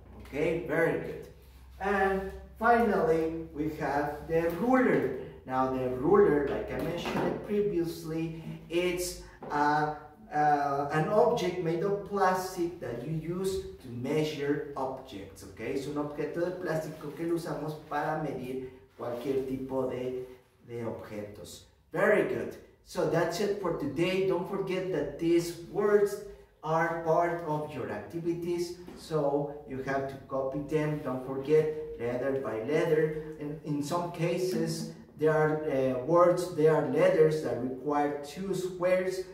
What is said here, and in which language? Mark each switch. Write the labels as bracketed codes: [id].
[en] Okay, very good. And finally, we have the ruler. Now the ruler, like I mentioned previously, it's an object made of plastic that you use to measure objects, okay? [es] Es un objeto de plástico que lo usamos para medir cualquier tipo de objetos. [en] Very good. So that's it for today. Don't forget that these words are part of your activities, so you have to copy them. Don't forget, letter by letter. And in some cases, there are words, there are letters that require two squares.